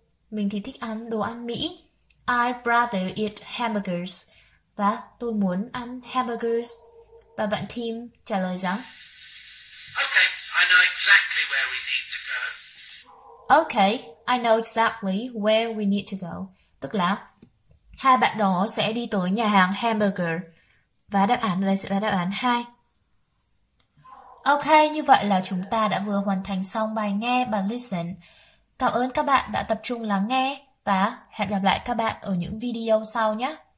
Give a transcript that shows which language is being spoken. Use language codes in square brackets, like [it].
[vi] Mình thì thích ăn đồ ăn Mỹ. [en] I'd rather eat hamburgers. [vi] Và tôi muốn ăn hamburgers. Và bạn Tim trả lời rằng [en] Okay, I know exactly where we need to go. Okay, I know exactly where we need to go. [vi] Tức là hai bạn đó sẽ đi tới nhà hàng hamburger. Và đáp án ở đây sẽ là đáp án 2. Okay, như vậy là chúng ta đã vừa hoàn thành xong bài nghe, bài listen. Cảm ơn các bạn đã tập trung lắng nghe và hẹn gặp lại các bạn ở những video sau nhé.